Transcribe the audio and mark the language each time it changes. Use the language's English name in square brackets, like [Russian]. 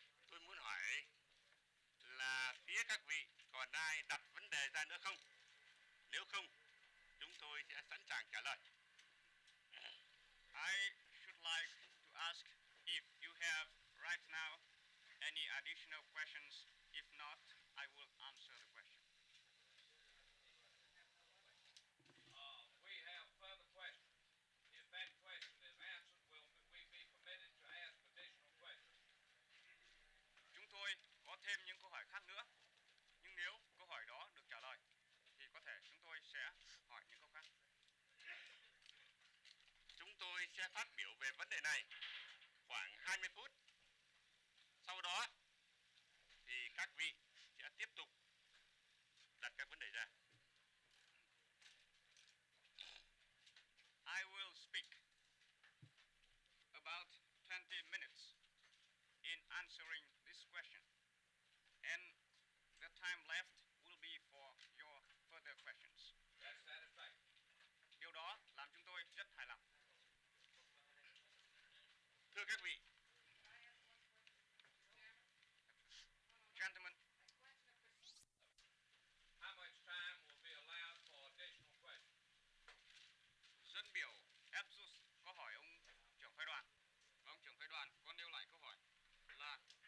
[Vietnamese] Tôi muốn hỏi là phía các vị còn ai đặt vấn đề ra nữa không? Nếu không, chúng tôi sẽ sẵn sàng trả lời. [English] I should like to ask if you have right now any additional questions. If not, I will answer the question. We have further questions. If that question is answered, will we be permitted to ask additional questions? [Vietnamese] Chúng tôi có thêm những câu hỏi khác nữa. Nhưng nếu câu hỏi đó được trả lời, thì có thể chúng tôi sẽ hỏi những câu khác. Chúng tôi sẽ phát biểu về vấn đề này khoảng 20 phút. Sau đó, thì các vị sẽ tiếp tục đặt các vấn đề ra. [English] I will speak about 20 minutes in answering this question, and the time left will be for your further questions. That's satisfactory. [Vietnamese] Điều đó làm chúng tôi rất hài lòng. Thưa các vị, [English] gentlemen, how much time will be allowed for additional questions? [Vietnamese] Dân biểu Epsus có hỏi ông trưởng phái đoàn, và ông trưởng phái đoàn có nêu lại câu hỏi là